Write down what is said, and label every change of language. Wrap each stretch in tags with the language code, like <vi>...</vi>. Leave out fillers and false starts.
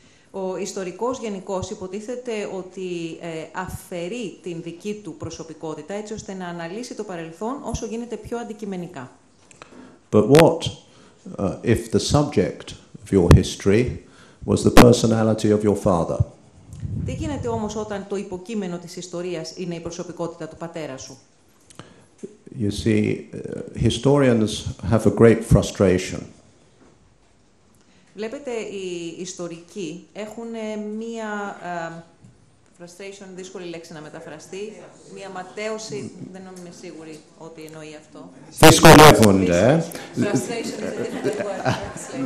<el>Ο ιστορικός γενικώς υποτίθεται ότι αφαιρεί την δική του προσωπικότητα έτσι ώστε να αναλύσει το παρελθόν όσο γίνεται πιο αντικειμενικά.</el> <en>But what if the subject of your history was the personality of your father?</en> <el>Τι γίνεται όμως όταν το υποκείμενο της ιστορίας είναι η προσωπικότητα του πατέρα σου?</el> <en>You see, historians have a great frustration.</en> <el>Βλέπετε, οι ιστορικοί έχουν μία frustration, δύσκολη λέξη να μεταφραστεί, μία ματέωση, δεν είμαι σίγουρη ότι εννοεί αυτό. Δυσκολεύονται.</el> <en>Frustration.</en>